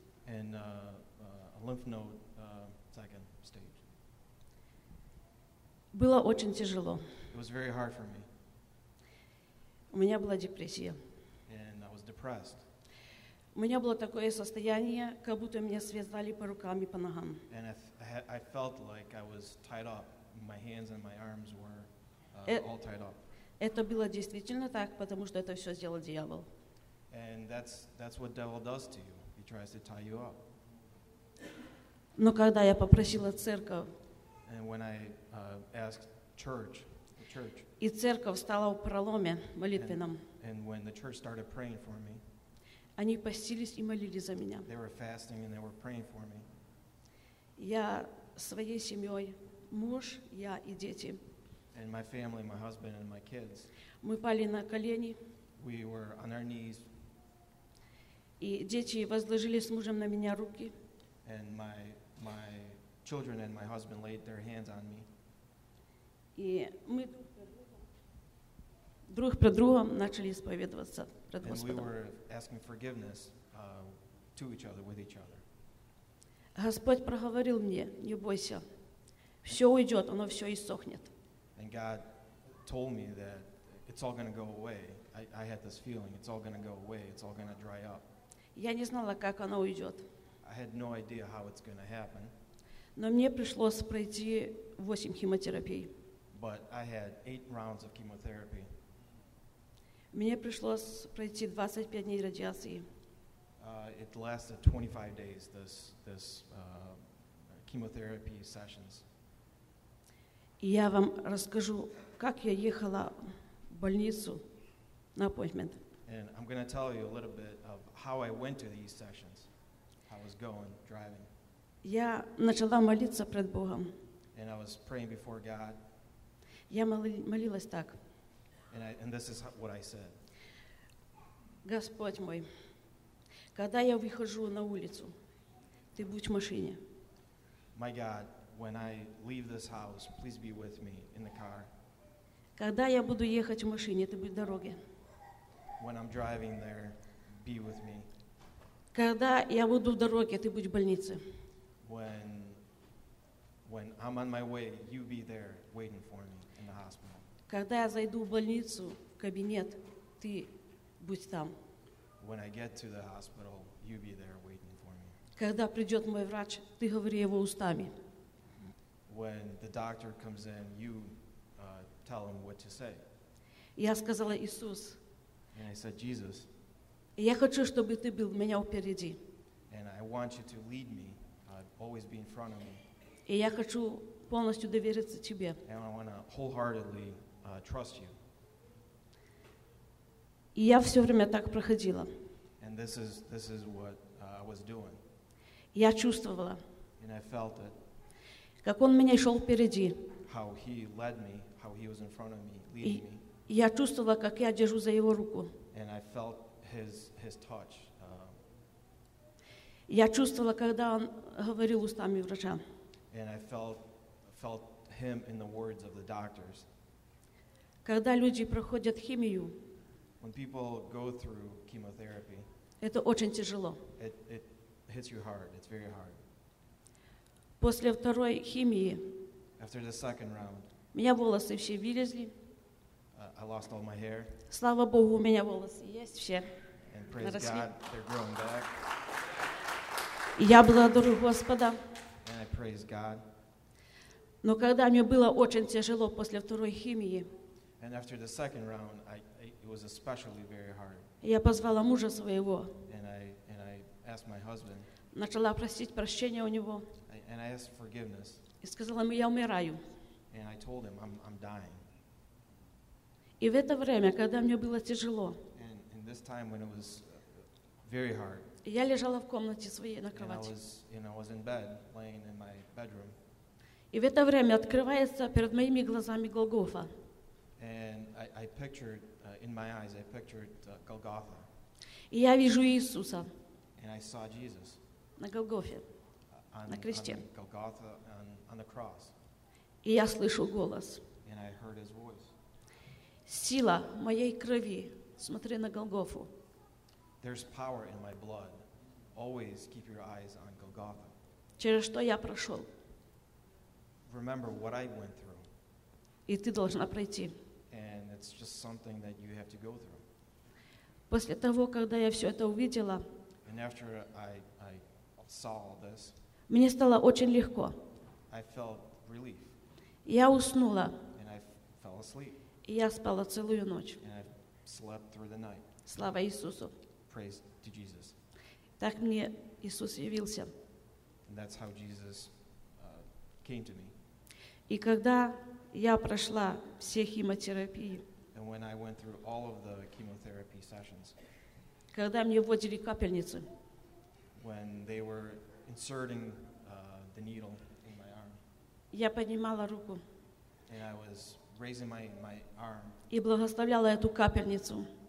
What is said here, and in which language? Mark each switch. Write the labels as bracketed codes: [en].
[en] And a lymph node, second stage. [ru] Было очень тяжело. [en] It was very hard for me. [ru] У меня была депрессия. [en] And I was depressed. [ru] У меня было такое состояние, как будто меня связали по рукам и по ногам. [en] And I felt like I was tied up. My hands and my arms were all tied up. [ru] Это было действительно так, потому что это все сделал дьявол. [en] And that's what devil does to you. He tries to tie you up. [ru] Но когда я попросила церковь, [en] and when I asked church, the church, [ru] и церковь стала в проломе молитвенном, [en] and when the church started praying for me, [ru] они постились и молились за меня. [en] They were fasting and they were praying for me. [ru] Я своей семьей, муж, я и дети, [en] and my family, my husband and my kids, [ru] мы пали на колени. [en] We were on our knees. [ru] И дети возложили с мужем на меня руки. [en] And my children and my husband laid their hands on me. [uk] І ми друг перед другом почали сповідуватися перед Господом. [en] And we were asking forgiveness to each other, with each other. [uk] Господь проговорив мені: "Не бойся. Все уйде, воно все ісохне". [en] And God told me that it's all going to go away. I had this feeling it's all going to go away, it's all going to dry up. [uk] Я не знала, як воно уйде. [en] I had no idea how it's going to happen. [ru] Но мне пришлось пройти 8 химиотерапий. [en] But I had 8 rounds of chemotherapy. [ru] Мне пришлось пройти 25 дней радиации. [en] It lasted 25 days, this chemotherapy sessions. [ru] Я вам расскажу, как я ехала в больницу на appointment. [en] And I'm going to tell you a little bit of how I went to these sessions, how I was going, driving. [ru] Я начала молиться перед Богом. [en] And I was praying before God. [ru] Я молилась так. [en] And this is what I said. [ru] Господь мой, когда я выхожу на улицу, ты будь в машине. [en] My God, when I leave this house, please be with me in the car. [ru] Когда я буду ехать в машине, ты будь в дороге. [en] When I'm driving there, be with me. [ru] Когда я буду в дороге, ты будь в больнице. [en] When I'm on my way, you be there waiting for me in the hospital. [ru] Когда я зайду в больницу, в кабинет, ты будь там. [en] When I get to the hospital, you be there waiting for me. [ru] Когда придёт мой врач, ты говори его устами. [en] When the doctor comes in, you tell him what to say. [ru] Я сказала: Иисус. [en] And I said, Jesus. [ru] Я хочу, чтобы ты был меня впереди. [en] And I want you to lead me. Always be in front of me. [ru] И я хочу полностью довериться тебе. [en] And I want to wholeheartedly trust you. [ru] И я все время так проходила. [en] And this is what I was doing. [ru] Я чувствовала. [en] And I felt it. [ru] Как он меня шел впереди. [en] How he led me, how he was in front of me, leading me. [ru] Я чувствовала, как я держу за его руку. [en] And I felt his touch. [ru] Я чувствовала, когда он говорил устами врача. [en] And I felt him in the words of the doctors. [ru] Когда люди проходят химию, [en] when people go through chemotherapy, [ru] это очень тяжело. [en] It hits you hard. It's very hard. [ru] После второй химии, [en] after the second round, [ru] у меня волосы все вылезли. [en] I lost all my hair. [ru] Слава Богу, у меня волосы есть все. [en] And praise [ru] Наросли. [en] God, they're growing back. [ru] Я благодарю Господа. [en] And I praise God. [ru] Но когда мне было очень тяжело после второй химии, [en] and after the second round, it was especially very hard. [ru] Я позвала мужа своего. [en] And I asked my husband. [ru] Начала просить прощения у него. [en] And I asked forgiveness. [ru] И сказала ему: я умираю. [en] And I told him, I'm dying. [ru] И в это время, когда мне было тяжело, [en] in this time when it was very hard, [ru] я лежала в комнате своей на кровати. [en] I was in bed, laying in my bedroom. [ru] И в это время открывается перед моими глазами Голгофа. [en] And I pictured, in my eyes, I pictured Golgotha. [ru] И я вижу Иисуса. [en] And I saw Jesus. [ru] На Голгофе, на кресте. [en] On Golgotha, on the cross. [ru] И я слышу голос. [en] And I heard his voice. [ru] Сила моей крови, смотри на Голгофу. [en] There's power in my blood. Always keep your eyes on Golgotha. [ru] Через что я прошел. [en] Remember what I went through. [ru] И ты должна пройти. [en] And it's just something that you have to go through. [ru] После того, когда я все это увидела, [en] and after I saw all this, [ru] мне стало очень легко. [en] I felt relief. [ru] Я уснула. [en] And I fell asleep. [ru] И я спала целую ночь. [en] And I slept through the night. [ru] Слава Иисусу. [en] Praise to Jesus. [ru] Так мне Иисус явился. [en] And that's how Jesus came to me. [ru] И когда я прошла все химиотерапии, [en] and when I went through all of the chemotherapy sessions, [ru] когда мне вводили капельницу, [en] when they were inserting the needle in my arm, [ru] я поднимала руку, [en] and I was raising my arm, [ru] и благословляла эту капельницу.